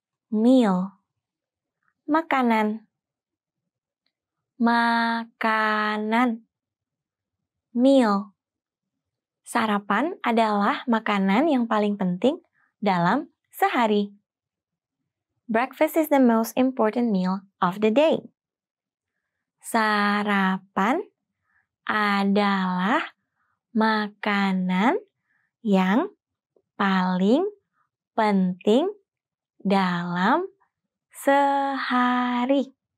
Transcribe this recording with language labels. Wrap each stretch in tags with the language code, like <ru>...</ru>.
<en>Meal.</en> <id>Makanan. Makanan.</id> <en>Meal.</en> <id>Sarapan adalah makanan yang paling penting dalam sehari.</id> <en>Breakfast is the most important meal of the day.</en> <id>Sarapan adalah makanan yang paling penting dalam sehari.</id>